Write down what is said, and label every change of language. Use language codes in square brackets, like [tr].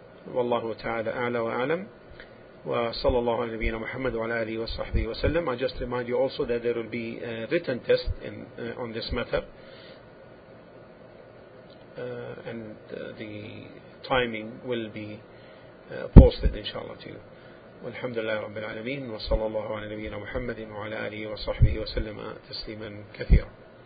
[ar] والله تعالى أعلى وأعلم وصلى الله على نبينا محمد وعلى آله وصحبه وسلم. [en] I just remind you also that there will be a written test in, on this matter, and the timing will be posted inshallah to you. [ar] والحمد لله رب العالمين وصلى الله على نبينا محمد وعلى آله وصحبه وسلم تسليما كثيرا.